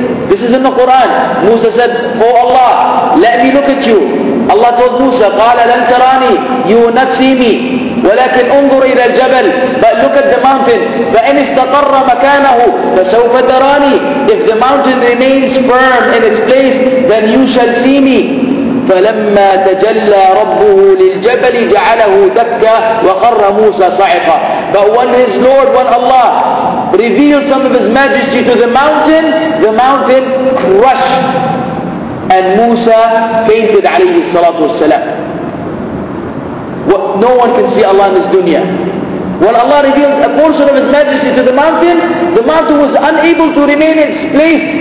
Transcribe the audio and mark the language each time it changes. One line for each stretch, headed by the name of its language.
English: This is in the Quran. Musa said, oh Allah, let me look at you. Allah told Musa,
Arabic: قَالَ لَمْ تَرَانِي,
English: you will not see me.
Arabic: ولكن انظر إلى الجبل,
English: but look at the mountain.
Arabic: فإن استقر مكانه فسوف تراني.
English: If the mountain remains firm in its place, then you shall see me.
Arabic: فلما تجلى ربه للجبل جعله دكا وقر موسى صعقا.
English: But when his Lord, when Allah revealed some of his majesty to the mountain crushed, and Musa fainted
Arabic: عليه الصلاة والسلام.
English: No one can see Allah in this dunya. When Allah revealed a portion of His majesty to the mountain was unable to remain in its place.